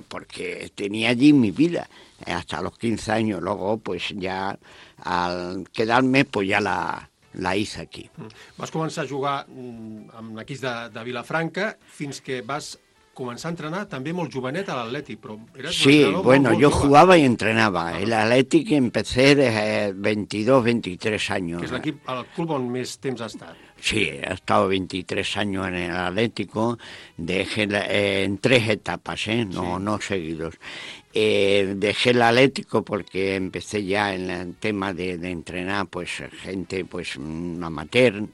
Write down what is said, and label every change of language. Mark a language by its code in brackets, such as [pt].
[es] Porque tenía allí mi vida. Hasta los 15 años, luego, pues ya al quedarme, pues ya la hice aquí. [ca] Vas començar a jugar amb equips de Vilafranca, fins que vas començar a entrenar també molt jovenet a l'Atlètic. Sí, bueno, jo jugava i entrenava. [es] El Atlètic empecé de 22, 23 anys. [ca] Que és l'equip, el club on més temps ha estat. [es] Sí, he estado 23 años en el Atlético, en tres etapas, no seguidos. Dejé el Atlético porque empecé ya en el tema de entrenar pues gente pues amateur.